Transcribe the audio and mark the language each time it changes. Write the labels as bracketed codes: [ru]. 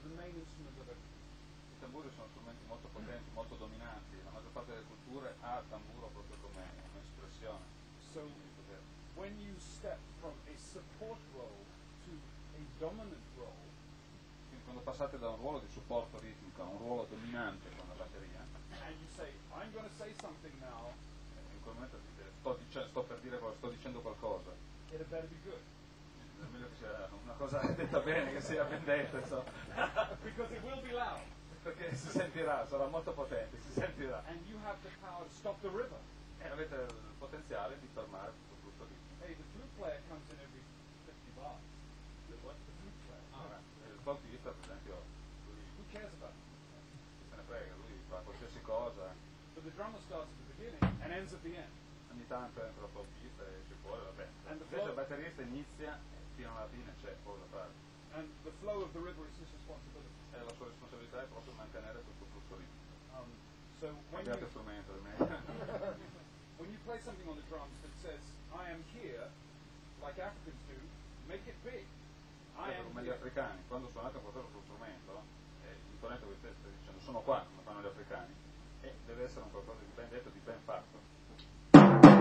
[it] I tamburi sono strumenti molto potenti, molto dominanti. La maggior parte delle culture ha il tamburo proprio come espressione. [en] So, when you step from a support role to a dominant role, [it] quindi quando passate da un ruolo di supporto ritmico a un ruolo dominante con la batteria, [en] and you say, I'm going to say something now, [it] in quel momento dite, sto per dire qualcosa, sto dicendo qualcosa. [en] It better be good. [it] È meglio che sia una cosa detta bene, che sia ben detta, insomma. [en] Because it will be loud. [it] Perché si sentirà, sarà molto potente, si sentirà. [en] And you have the power to stop the river. [it] E avete il potenziale di fermare tutto il flusso lì. [en] Hey, the flute player comes in every 50 bars. The what? The flute player. [it] Ah, il flautista, per esempio, lui... [en] Who cares about him? [it] Se ne frega, lui fa qualsiasi cosa. [en] But the drummer starts at the beginning and ends at the end. [it] Ogni tanto entra il flautista e ci vuole, vabbè. Invece il batterista inizia... [en] And the flow of the river is his responsibility. [it] E la sua responsabilità è proprio mantenere questo flusso lì. [en] So when you, [it] strumento di me. [en] When you play something on the drums that says I am here, like Africans do, make it big. I am [it] gli africani, quando suonate qualcosa sullo strumento, imponete voi stessi dicendo sono qua, come fanno gli africani. E deve essere un qualcosa di ben detto, di ben fatto.